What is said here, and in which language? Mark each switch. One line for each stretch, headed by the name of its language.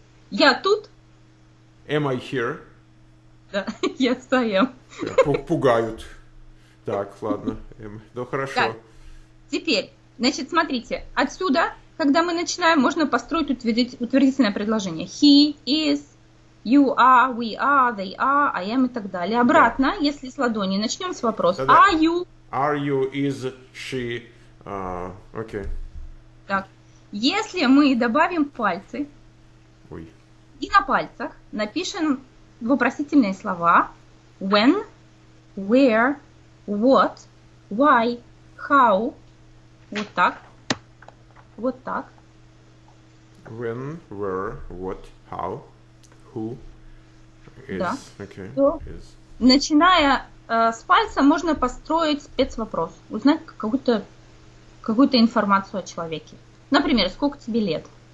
Russian: Я тут.
English: Am I here?
Russian: Да, я стою. Пугают. Так, ладно. Ну, хорошо. Так, теперь, значит, смотрите. Отсюда, когда мы начинаем, можно построить утвердительное предложение.
English: He is, you are, we are, they are, I am
Russian: и так далее. Обратно, да. Если с ладони, начнем с вопроса. Да-да.
English: Are you? Are you, is, she? Окей.
Russian: Так, если мы добавим пальцы, ой. И на пальцах напишем вопросительные слова.
English: When, where, what, why, how.
Russian: Вот так. Вот так.
English: When, where, what, how, who, is.
Russian: Да.
English: Okay. Is.
Russian: Начиная с пальца, можно построить спецвопрос. Узнать какую-то информацию о человеке. Например, сколько тебе лет?